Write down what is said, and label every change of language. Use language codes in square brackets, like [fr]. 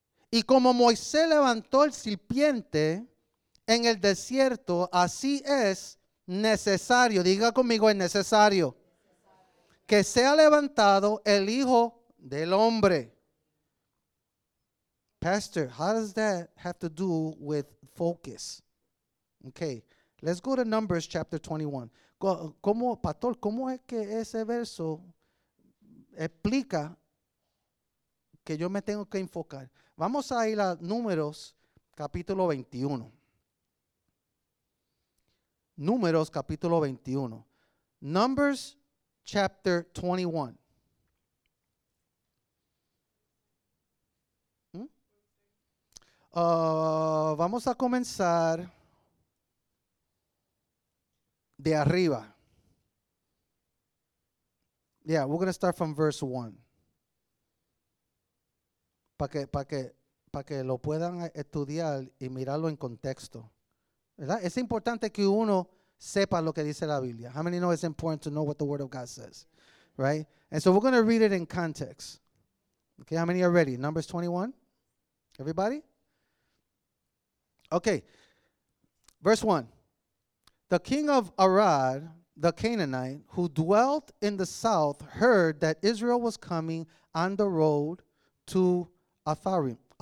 [es] Y como Moisés levantó el serpiente en el desierto, así es necesario. Diga conmigo, es necesario. Que sea levantado el Hijo del Hombre. [en] Pastor, how does that have to do with focus? Okay, let's go to Numbers chapter 21. [es] ¿Cómo, pastor, cómo es que ese verso explica que yo me tengo que enfocar? Vamos a ir a Números capítulo 21. Números capítulo 21. [en] Numbers chapter 21. [es] Vamos a comenzar de arriba. [en] Yeah, we're going to start from verse 1. [es] Para que lo puedan estudiar y mirarlo en contexto. ¿Verdad? Es importante que uno sepa lo que dice la Biblia. [en] How many know it's important to know what the Word of God says? Right? And so we're going to read it in context. Okay, how many are ready? Numbers 21? Everybody? Okay. Verse 1. The king of Arad, the Canaanite, who dwelt in the south, heard that Israel was coming on the road to Atharim.